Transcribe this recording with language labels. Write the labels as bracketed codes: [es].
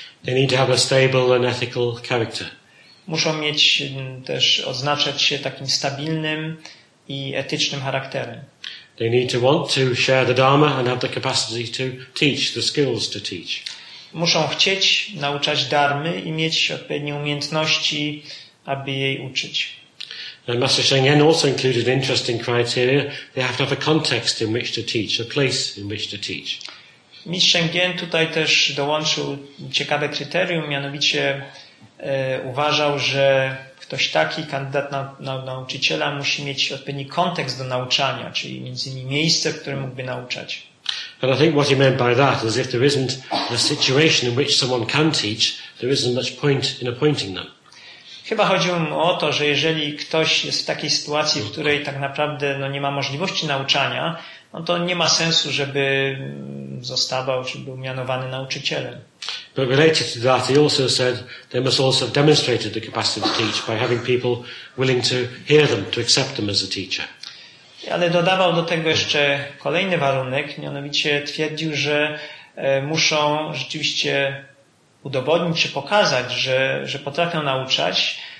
[en] They need to have a stable and ethical character. [pl] Muszą mieć też odznaczać się takim stabilnym i etycznym charakterem. [en] They need to want to share the dharma and have the capacity to teach, the skills to teach. [pl] Muszą chcieć nauczać darmy i mieć odpowiednie umiejętności, aby jej uczyć. [en] And Master Sheng Yen also included interesting criteria. They have to have a context in which to teach, a place in which to teach. [pl] Mistrz Sheng Yen tutaj też dołączył ciekawe kryterium, mianowicie uważał, że ktoś taki, kandydat na nauczyciela, musi mieć odpowiedni kontekst do nauczania, czyli między innymi miejsce, w którym mógłby nauczać. [en] And I think what he meant by that is if there isn't a situation in which someone can teach, there isn't much point in appointing them. [pl] Chyba chodziło mu o to, że jeżeli ktoś jest w takiej sytuacji, w której tak naprawdę no, nie ma możliwości nauczania, no, to nie ma sensu, żeby zostawał czy był mianowany nauczycielem. [en] But related to that, he also said they must also have demonstrated the capacity to teach by having people willing to hear them, to accept them as a teacher. [pl] Ale dodawał do tego jeszcze kolejny warunek, mianowicie twierdził, że muszą rzeczywiście udowodnić czy pokazać, że potrafią nauczać.